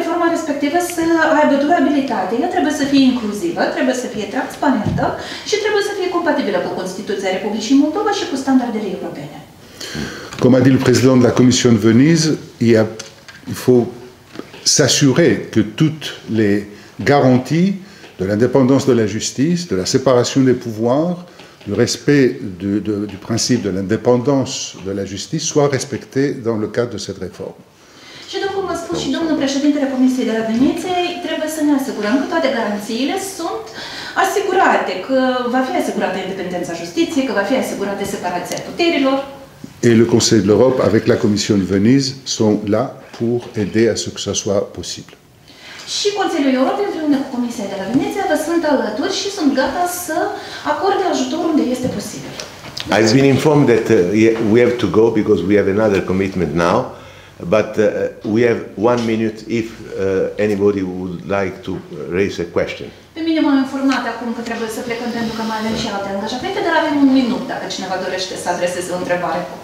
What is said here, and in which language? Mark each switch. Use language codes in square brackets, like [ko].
[ro] Respectivă să aibă durabilitate, ea trebuie să fie inclusivă, trebuie să fie transparentă și trebuie să fie compatibilă cu Constituția Republicii Moldova și cu standardele europene. [fr] Comme a dit le président de la Commission de Venise, il faut s'assurer que toutes les garanties de l'indépendance de la justice, de la séparation des pouvoirs, du respect du principe de l'indépendance de la justice soient respectées dans le cadre de cette réforme. [ro] Și după cum a spus și domnul președintele Comisiei de la Veneție, trebuie să ne asigurăm că toate garanțiile sunt asigurate, că va fi asigurată independența justiției, că va fi asigurată separația puterilor. [fr] Et le Conseil de l'Europe avec la Commission de Venise sont là pour aider à ce que ça soit possible. [ro] Și Consiliul Europei împreună cu Comisia de la Veneție vă sunt alături și sunt gata să acorde ajutor unde este posibil. [en] I've been informed that we have to go because we have another commitment now. But we have 1 minute if anybody would like to raise a question. [ro] Pe mine m-am informat acum că trebuie să plecăm pentru că mai avem și alte angajamente, dar avem un minut dacă cineva dorește să adreseze o întrebare.